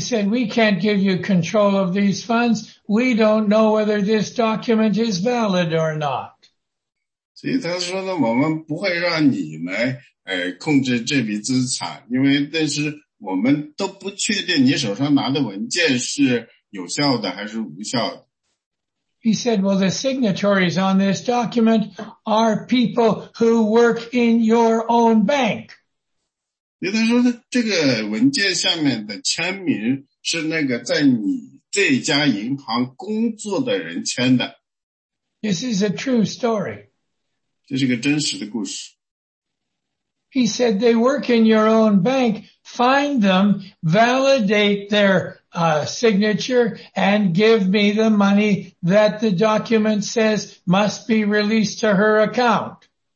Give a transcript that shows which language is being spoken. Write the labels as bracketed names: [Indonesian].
[English] said we can't give you control of these funds. We don't know whether this document is valid or not. [Chinese] 所以他说呢，我们不会让你们控制这笔资产，因为但是我们都不确定你手上拿的文件是有效的还是无效的。 [English] He said, well, the signatories on this document are people who work in your own bank. [Chinese] 他说这个文件下面的签名是那个在你这家银行工作的人签的。 [English] This is a true story. [Chinese] 这是个真实的故事。 [English] He said, they work in your own bank. Find them, validate their signature, and give me the money that the document says must be released to her account.